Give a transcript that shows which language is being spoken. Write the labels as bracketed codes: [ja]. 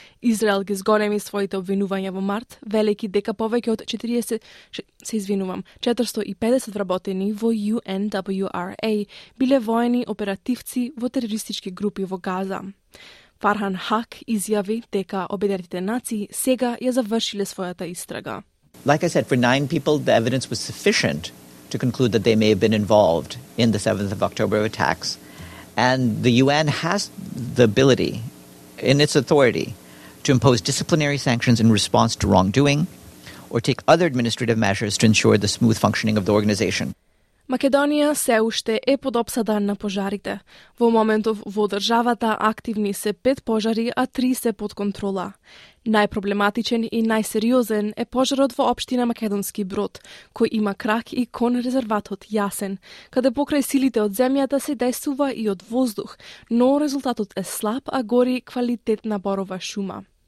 [mk] Израел ги зголеми своите обвинувања во март, велики дека повеќе од 450 вработени во UNWRA биле воени оперативци во терористички групи во Газа. Фархан Хак изјави дека Обединетите нации сега ја завршиле својата истрага. [en] Like I said, for 9 people, the evidence was sufficient to conclude that they may have been involved in the 7th of October attacks. And the UN has the ability, in its authority, to impose disciplinary sanctions in response to wrongdoing or take other administrative measures to ensure the smooth functioning of the organization. [mk] Македонија се уште е под опсада на пожарите. Во моментов во државата активни се 5 пожари, а 3 се под контрола. Најпроблематичен и најсериозен е пожарот во општина Македонски Брод, кој има крак и кон резерватот Јасен, каде покрај силите од земјата се действува и од воздух, но резултатот е слаб, а гори квалитетна борова шума.